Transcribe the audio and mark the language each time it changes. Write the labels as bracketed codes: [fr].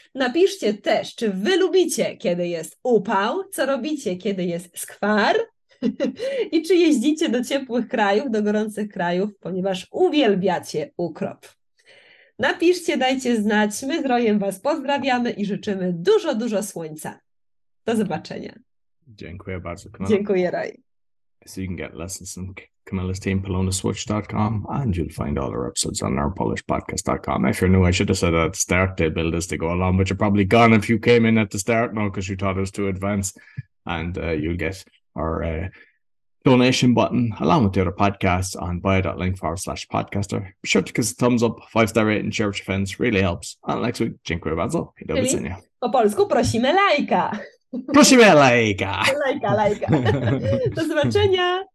[pl] Napiszcie też, czy wy lubicie, kiedy jest upał, co robicie, kiedy jest skwar i czy jeździcie do ciepłych krajów, do gorących krajów, ponieważ uwielbiacie ukrop. Napiszcie, dajcie znać, my z Rojem was pozdrawiamy i życzymy dużo, dużo słońca. Do zobaczenia. Dziękuję bardzo, Kamala. Dziękuję, Roj. [en] So you can get lessons from Camilla's team, PolonaSwitch.com, and you'll find all our episodes on our PolishPodcast.com. If you're new, I should have said at the start to build this to go along, but you're probably gone if you came in at the start now because you thought it was too advanced. And you'll get our donation button along with the other podcasts on buy.link/podcaster. Be sure to give us a thumbs up, 5-star rating, share with your friends, really helps. And next week, [pl] dziękuję bardzo. [en] I do [pl] czyli po polsku prosimy lajka. Prosimy lajka. Lajka, lajka. Do zobaczenia.